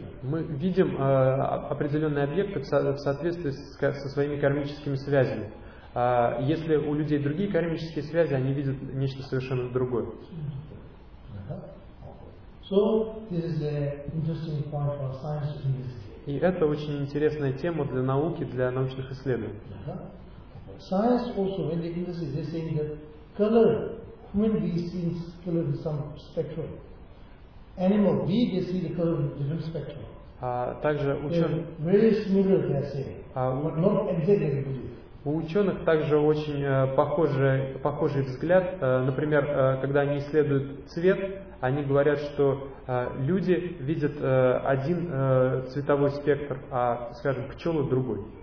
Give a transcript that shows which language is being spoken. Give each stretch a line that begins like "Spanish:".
Russian: Мы видим определенный объект в соответствии со своими кармическими связями. Если у людей другие кармические связи, они видят нечто совершенно другое.
English: So this is an interesting point for science to investigate.
Russian: И это очень интересная тема для науки, для научных исследований.
English: Science also, when they investigate, they're saying that color, human beings see color in some spectrum. Animal, we they see the color in different spectrum.
Russian: Также
English: very similar, they are saying, but not exactly the belief.
Russian: У ученых также очень похожий взгляд. Например, когда они исследуют цвет, они говорят, что люди видят один цветовой спектр, а, скажем, пчелы другой.